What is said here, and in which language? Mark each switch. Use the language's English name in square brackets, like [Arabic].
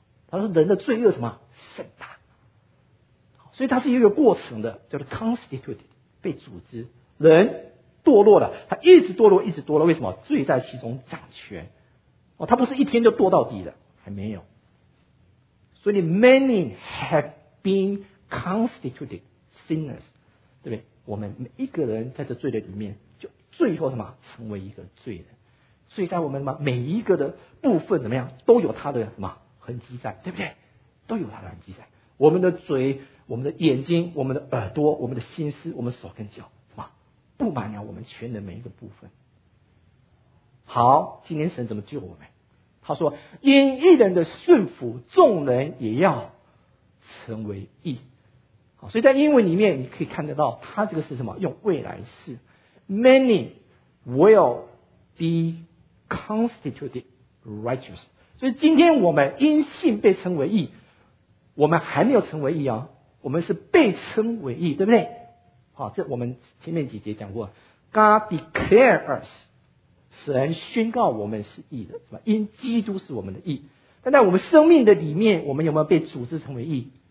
[Chinese] 他说人的罪恶什么？甚大。所以他是一个过程的，叫做 constituted, 被组织。人堕落了，他一直堕落，一直堕落。为什么？罪在其中掌权。哦，他不是一天就堕到底的，还没有。所以 [English] many have been constituted sinners, [Chinese] 对不对？我们每一个人在这罪的里面，就最后什么？成为一个罪人。所以在我们每一个的部分怎么样，都有它的什么痕迹在，对不对？都有它的痕迹在。我们的嘴，我们的眼睛，我们的耳朵，我们的心思，我们手跟脚，什么布满了我们全人每一个部分。好，今天神怎么救我们？他说因义人的顺服，众人也要成为义。好，所以在英文里面你可以看得到，他这个是什么，用未来式。 [English] Many willbe constituted righteous. [Chinese] 所以今天我们因信被称为义，我们还没有成为义哦，我们是被称为义，对不对？好，这我们前面几节讲过， [English] God declared us, [Chinese] 神宣告我们是义的，是吧？因基督是我们的义。但在我们生命的里面，我们有没有被组织成为义？